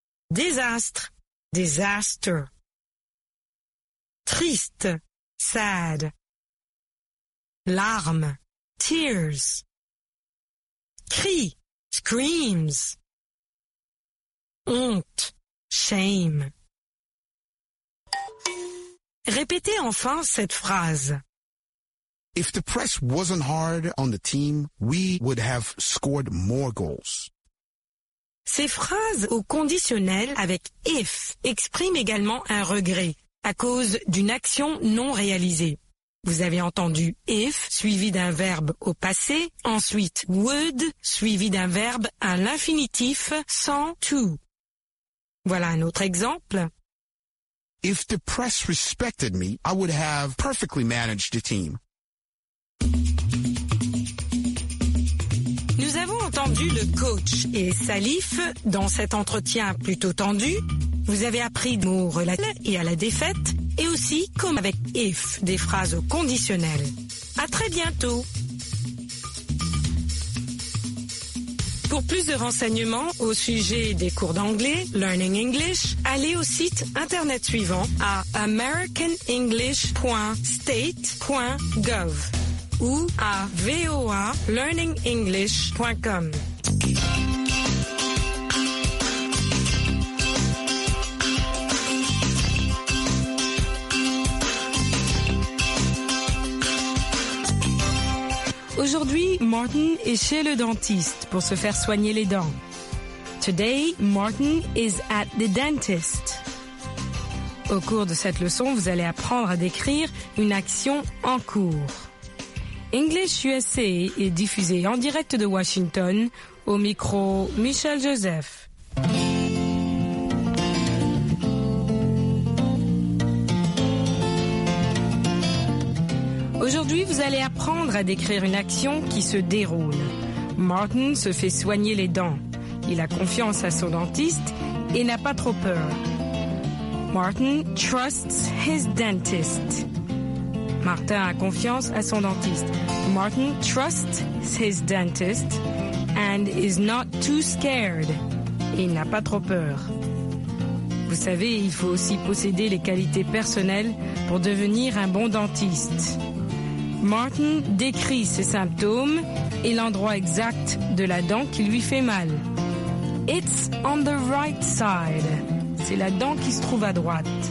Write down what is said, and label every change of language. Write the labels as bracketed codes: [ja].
[fr] Désastre. [en] Disaster. [fr] Triste. [en] Sad. [fr] Larmes. [en] Tears. [fr] Cris. [en] Screams. [fr] Honte. [en] Shame. [fr] Répétez enfin cette phrase. [en] If the press wasn't hard on the team, we would have scored more goals. [fr] Ces phrases au conditionnel avec if expriment également un regret à cause d'une action non réalisée. Vous avez entendu if suivi d'un verbe au passé, ensuite would suivi d'un verbe à l'infinitif sans to. Voilà un autre exemple. If the press respected me, I would have perfectly managed the team. Nous avons entendu le coach et Salif dans cet entretien plutôt tendu. Vous avez appris des mots relatifs et à la défaite, et aussi, comme avec if, des phrases au conditionnel. À très bientôt. Pour plus de renseignements au sujet des cours d'anglais, Learning English, allez au site internet suivant à americanenglish.state.gov ou à voalearningenglish.com. Aujourd'hui, Martin est chez le dentiste pour se faire soigner les dents. [en] Today, Martin is at the dentist. [fr] Au cours de cette leçon, vous allez apprendre à décrire une action en cours. English USA est diffusé en direct de Washington au micro Michel Joseph. Aujourd'hui, vous allez apprendre à décrire une action qui se déroule. Martin se fait soigner les dents. Il a confiance à son dentiste et n'a pas trop peur. [en] Martin trusts his dentist. [fr] Martin a confiance à son dentiste. [en] Martin trusts his dentist and is not too scared. [fr] Il n'a pas trop peur. Vous savez, il faut aussi posséder les qualités personnelles pour devenir un bon dentiste. Martin décrit ses symptômes et l'endroit exact de la dent qui lui fait mal. [en] It's on the right side. [fr] C'est la dent qui se trouve à droite.